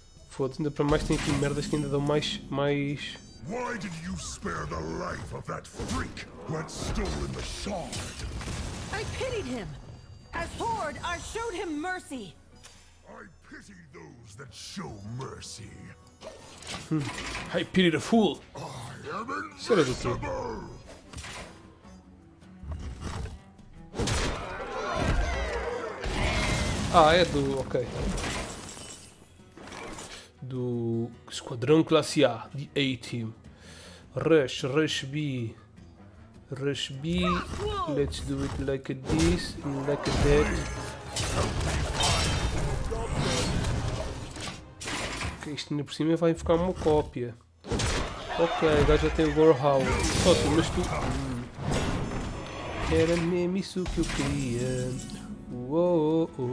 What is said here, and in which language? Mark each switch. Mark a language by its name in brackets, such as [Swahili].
[Portuguese] Foda-se, ainda para mais tem aqui merdas que ainda dão mais. [English] Why did you spare the life of that freak who had stolen the shard? I pitied him! As Horde, I showed him mercy! Pity those that show mercy. I pity the fool. I am invincible. [Portuguese] Ah, é do. Ok. Do Esquadrão Classe A, de A-Team. Rush, Rush B. Rush B. [English] Let's do it like this and like that. [Portuguese] Isto ainda por cima vai ficar uma cópia. Ok, o gajo já tem o Gore Howl. Só tu, mas tu. Era mesmo isso que eu queria. Uou.